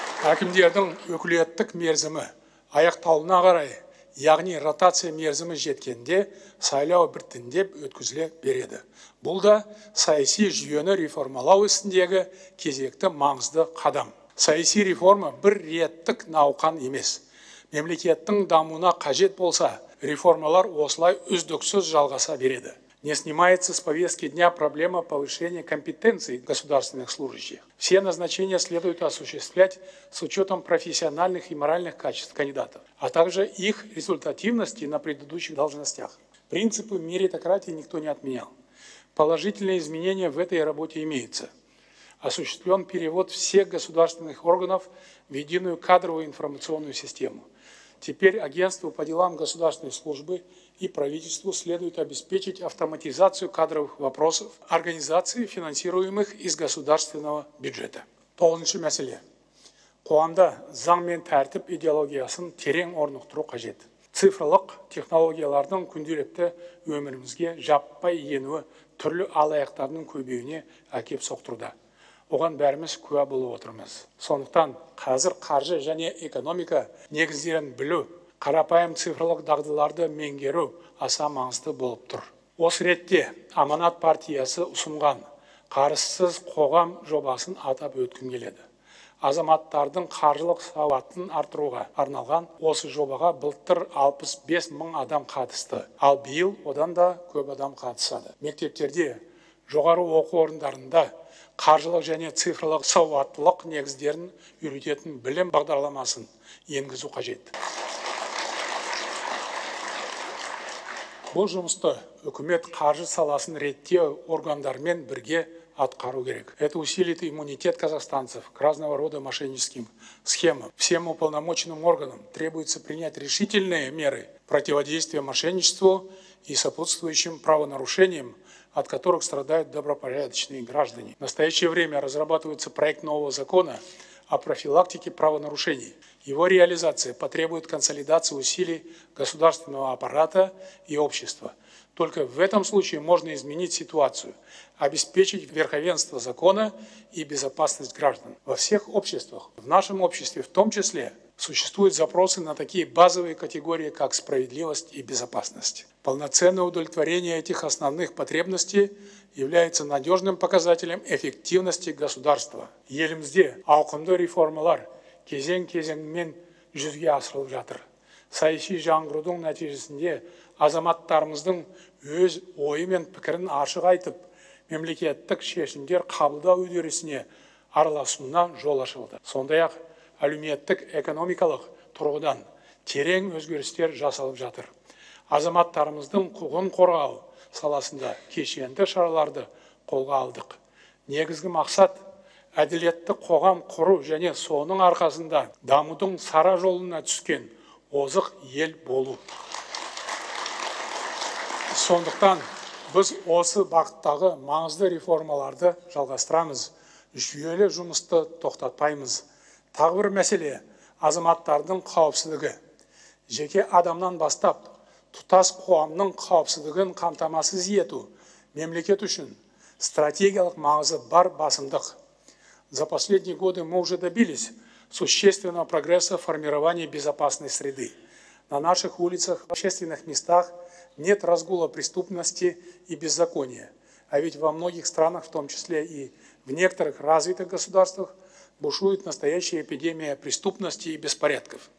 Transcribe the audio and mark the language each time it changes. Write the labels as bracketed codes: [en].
[kk] Әкімдердің өкілеттік мерзімі аяқталуына қарай, яғни ротация мерзімі жеткенде сайлау біртіндеп өткізіле береді. Бұл да саяси жүйені реформалау ісіндегі кезекті маңызды қадам. Саяси реформа бір реттік науқан емес. Мемлекеттің дамуына қажет болса, реформалар осылай үздіксіз жалғаса береді. [ru] Не снимается с повестки дня проблема повышения компетенций государственных служащих. Все назначения следует осуществлять с учетом профессиональных и моральных качеств кандидатов, а также их результативности на предыдущих должностях. Принципы меритократии никто не отменял. Положительные изменения в этой работе имеются. Осуществлен перевод всех государственных органов в единую кадровую информационную систему. Теперь агентству по делам государственной службы и правительству следует обеспечить автоматизацию кадровых вопросов организации, финансируемых из государственного бюджета. [kk] Тоғызыншы мәселе. Қоғамда заң мен тәртіп идеологиясын терең орнықтыру қажет. Цифрлық технологиялардың күнделікті өмірімізге жаппай енуі түрлі алаяқтардың көбеюіне әкеп соқтыруда. Оған бәріміз куә болып отырмыз. Сондықтан қазір қаржы және экономика негіздерін білу, қарапайым цифрлық дағдыларды меңгеру аса маңызды болып тұр. Осы ретте Аманат партиясы ұсынған қарызсыз қоғам жобасын атап өткім келеді. Азаматтардың қаржылық сауатын артыруға арналған осы жобаға былтыр 65 мың адам қатысты, ал биыл одан да көп адам қатысады. Мектептерде, жоғары оқу орындарында қаржылық және цифрлық сауаттылық негіздерін үйрететін білім бағдарламасын енгізу қажет. Бұл жұмысты үкімет қаржы саласын реттеу органдарымен бірге атқару керек. [ru] Это усилит иммунитет казахстанцев к разного рода мошенническим схемам. Всем уполномоченным органам требуется принять решительные меры противодействия мошенничеству и сопутствующим правонарушениям, от которых страдают добропорядочные граждане. В настоящее время разрабатывается проект нового закона о профилактике правонарушений. Его реализация потребует консолидации усилий государственного аппарата и общества. Только в этом случае можно изменить ситуацию, обеспечить верховенство закона и безопасность граждан. Во всех обществах, в нашем обществе в том числе, существуют запросы на такие базовые категории, как справедливость и безопасность. Полноценное удовлетворение этих основных потребностей является надежным показателем эффективности государства. [kk] Елімізде ауқымды реформалар кезең-кезеңмен жүзге асырылып жатыр. Саяси жаңғырудың нәтижесінде азаматтарымыздың өз ойы мен пікірін ашық айтып, мемлекеттік шешімдер қабылдау үдерісіне араласуына жол ашылды. Сондай-ақ, әлеуметтік экономикалық тұрғыдан терең өзгерістер жасалып жатыр. Азаматтарымыздың құқығын қорғау саласында кешенді шараларды қолға алдық. Негізгі мақсат – әділетті қоғам құру және соның арқасында дамудың сара жолына түскен озық ел болу. Сондықтан біз осы бағыттағы маңызды реформаларды жалғастырамыз, жүйелі жұмысты тоқтатпаймыз. Тағы бір мәселе – азаматтардың қауіпсіздігі. Жеке адамнан бастап, тұтас қоғамның қауіпсіздігін қамтамасыз ету мемлекет үшін стратегиялық маңызы бар басымдық. [ru] За последние годы мы уже добились существенного прогресса в формировании безопасной среды. На наших улицах, общественных местах нет разгула преступности и беззакония. А ведь во многих странах, в том числе и в некоторых развитых государствах, бушует настоящая эпидемия преступности и беспорядков.